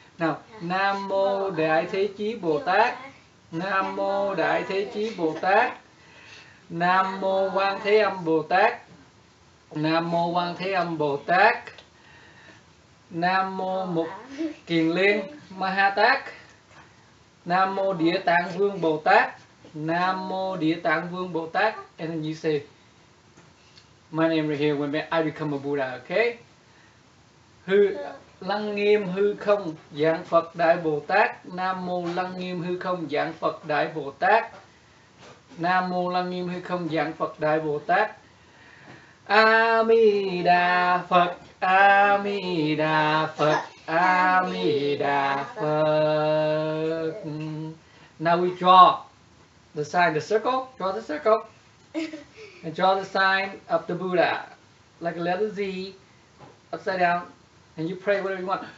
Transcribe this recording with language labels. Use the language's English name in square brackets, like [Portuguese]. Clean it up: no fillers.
[Vietnamese] Now, Nam Mô Đại Thế Chí Bồ Tát, Nam Mô Đại Thế Chí Bồ Tát, Nam Mô Quan Thế Âm Bồ Tát, Nam Mô Quan Thế Âm Bồ Tát, Nam Mô Mục Kiền Liên Maha Tát, Nam Mô Địa Tạng Vương Bồ Tát, Nam Mô Địa Tạng Vương Bồ Tát. [English] And then you say, my name right here, when I become a Buddha, okay? Who... [Vietnamese] Lăng Nghiêm Hư Không Vạn Phật Đại Bồ Tát Nam Mô Lăng Nghiêm Hư Không Vạn Phật Đại Bồ Tát Nam Mô Lăng Nghiêm Hư Không Vạn Phật Đại Bồ Tát A Di Đà Phật [English] A Di Đà Phật A Di Đà Phật Now we draw the sign the circle draw the circle and draw the sign of the Buddha like a letter Z upside down And you pray whatever you want.